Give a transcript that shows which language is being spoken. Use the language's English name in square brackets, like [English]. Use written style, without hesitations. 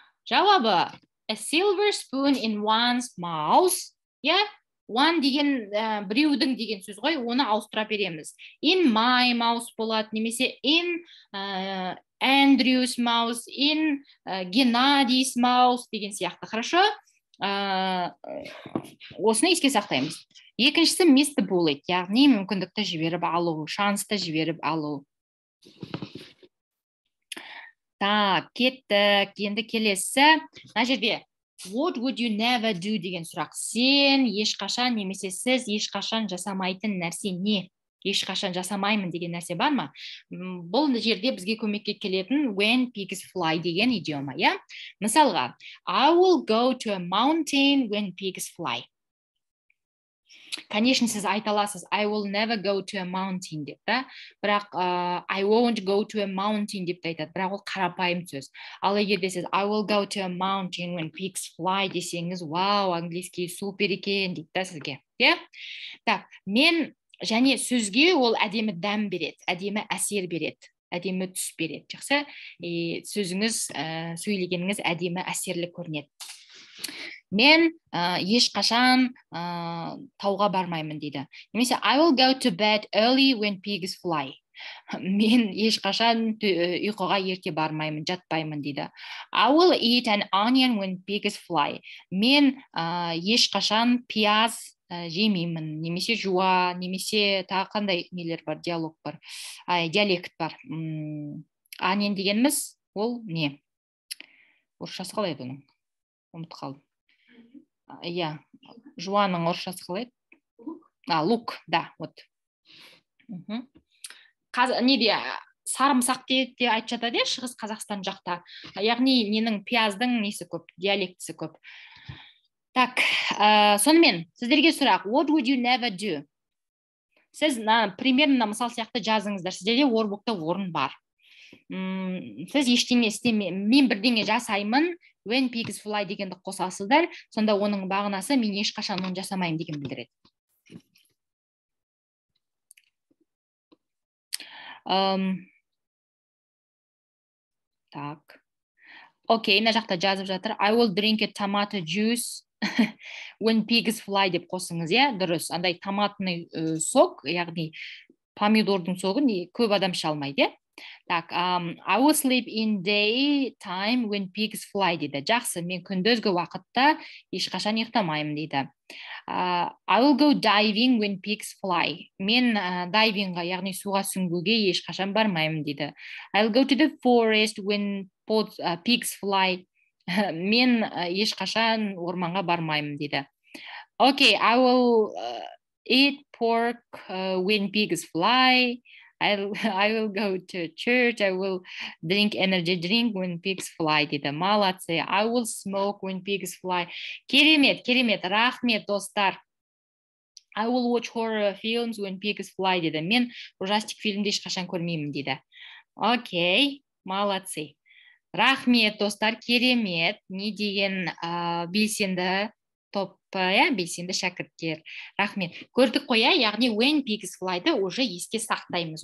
[Kazakh] Жауабы, [English] a silver spoon in one's mouth. Yeah? [Kazakh] One деген, біреудің деген сөз ғой, оны ауыстыра береміз. [English] In my mouth [Kazakh] болады, немесе [English] in Andrew's mouth, in Геннадий's mouth [Kazakh] деген сияқты. [Russian] Хорошо? [Kazakh] Осыны еске сақтаймыз. Екіншісі, miss the bullet. Яғни мүмкіндікті жіберіп алу, шансты жіберіп алу. Так, кеттік, енді келесі. На жерде, [English] What would you never do деген сұрақ. [Kazakh] Сен ешқашан немесе сіз ешқашан жасамайтын нәрсе не? Ешқашан жасамаймын деген нәрсе бар ма? Бұл жерде бізге көмекке келетін [English] when pigs fly [Kazakh] деген идиома, иә? Мысалға, [English] I will go to a mountain when pigs fly. [Russian] Конечно, [Kazakh] сіз айталасыз, [English] I will never go to a mountain [Kazakh] деп, да? Бірақ, [English] I won't go to a mountain [Kazakh] деп айтады, бірақ ол қарапайым сөз. Ал егерде сіз, [English] I will go to a mountain when pigs fly [Kazakh] десеңіз, вау, английский супер екен деп, да, сізге. Так, мен және сөзге ол әдемі дәм берет, әдемі әсер берет, әдемі түс берет. Жақсы, сөзіңіз, сөйлегеніңіз әдемі әсерлі көрінеді. Мен ешқашан тауға бармаймын дейді. [English] Немесе, I will go to bed early when pigs fly. [Kazakh] Мен ешқашан ұйқыға ерте бармаймын, жатпаймын дейді. [English] I will eat an onion when pigs fly. [Kazakh] Мен ешқашан пияз жемеймін, немесе жуа, немесе тағы қандай нелер бар, диалог бар, диалект бар. Onion дегеніміз, ол не? Орысшасы қалай бұның? Ұмыт қалдым. Иә, жуаның орысшасы қалай? Лук, да, вот. Не де, сарымсақ деп айтып жатады шығыс Қазақстан жақта. Яғни, ненің пияздың несі көп, диалектісі көп. Так, сонымен, сіздерге сұрақ, [English] what would you never do? [Kazakh] Сіз примерно, мысал сияқты жазыңыздар, сіздерде орбукта орын бар. Сіз ештеңе істемей, мен бірдеңе жасаймын, [English] when pigs fly [Kazakh] дегенді қосасыздар, сонда оның бағынасы мен ешқашан оны жасамайым деген білдіреді. Так. Окей, мына жақта жазып жатыр. [English] I will drink a tomato juice when pigs fly [Kazakh] деп қосыңыз, иә? Дұрыс. Андай [Russian] томатный сок, [Kazakh] яғни помидордың согын көп адам іше алмайды, иә? [English] Так, I will sleep in day time when pigs fly [Kazakh] дейді. Жақсы, мен күндізгі уақытта ешқашан ұйықтамаймын дейді. [English] I will go diving when pigs fly. [Kazakh] Мен дайвинга, яғни суға сүңгуге ешқашан бармаймын дейді. [English] I will go to the forest when pigs fly. [Kazakh] Мен ешқашан орманға бармаймын дейді. [English] Okay, I will eat pork when pigs fly. I will go to church. I will drink energy drink when pigs fly. [Kazakh] Дейді. [Russian] Молодцы. [English] I will smoke when pigs fly. [Kazakh] Керемет, керемет. Рахмет, достар. [English] I will watch horror films when pigs fly. [Kazakh] Дейді. Мен ужастик фильмді ешқашан көрмеймін дейді. Окей, [Russian] молодцы. [Kazakh] Рахмет, достар. Керемет. Не деген белсенді топ. Иә, белсенді шәкірттер. Рахмет. Көрдік қой, яғни [English] when pigs fly- [Kazakh] ды уже еске сақтаймыз.